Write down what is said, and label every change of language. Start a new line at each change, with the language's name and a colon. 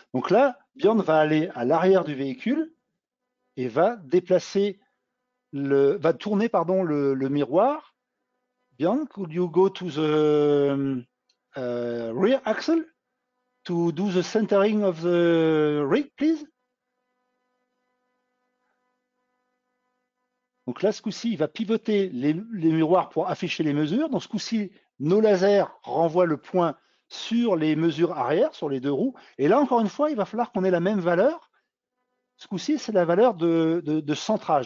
French: Donc là, Björn va aller à l'arrière du véhicule et va déplacer va tourner pardon le miroir.
English: Bien, could you go to the rear axle to do the centering of the rig, please?
French: Donc là, ce coup-ci, il va pivoter les miroirs pour afficher les mesures. Dans ce coup-ci, nos lasers renvoient le point sur les mesures arrière, sur les deux roues. Et là, encore une fois, il va falloir qu'on ait la même valeur. Ce coup-ci, c'est la valeur de centrage.